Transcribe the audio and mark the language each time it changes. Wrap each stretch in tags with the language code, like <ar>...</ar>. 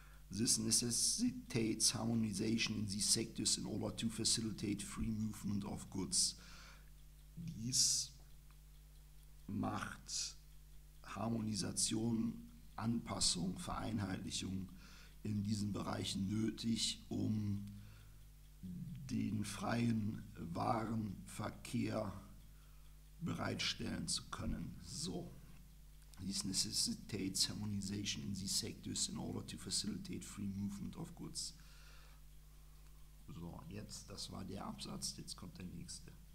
<en>This necessitates harmonization in these sectors in order to facilitate free movement of goods.</en> <de>Dies macht Harmonisation, Anpassung, Vereinheitlichung in diesen Bereichen nötig, um den freien Warenverkehr bereitstellen zu können. So.</de> <en>This necessitates harmonization in these sectors in order to facilitate free movement of goods.</en> <de>So, jetzt, das war der Absatz, jetzt kommt der nächste.</de>